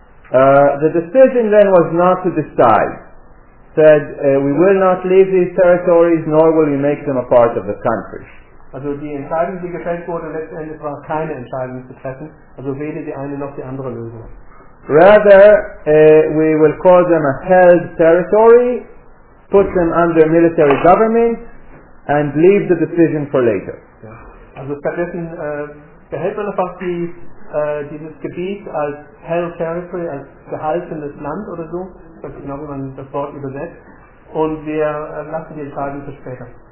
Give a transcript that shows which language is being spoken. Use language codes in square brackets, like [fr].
[en] The decision then was not to decide. Said, we will not leave these territories, nor will we make them a part of the country. [de] Also die Entscheidung, die gefällt wurde, letztendlich war keine Entscheidung zu treffen. Also weder die eine noch die andere Lösung. [en] Rather, we will call them a held territory, put them under military government, and leave the decision for later. [de] Also stattdessen behält man einfach dieses Gebiet als held territory, als gehaltenes Land oder so, ich weiß genau, wie man das Wort übersetzt, und wir lassen die Entscheidung für später.